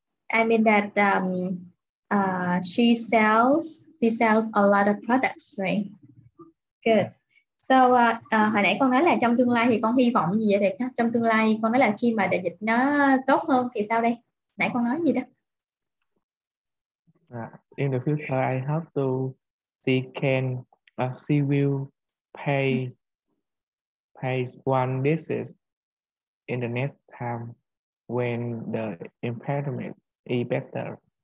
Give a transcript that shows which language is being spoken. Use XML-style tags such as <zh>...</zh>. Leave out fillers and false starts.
<en>I mean that she sells a lot of products, right? Good.</en> <vi>So hồi nãy con nói là trong tương lai thì con hy vọng gì vậy thầy? Trong tương lai con nói là khi mà đại dịch nó tốt hơn thì sao đây? Nãy con nói gì đó?</vi> <en>In the future, I hope to she will pay one business in the next time when the impediment is better.</en>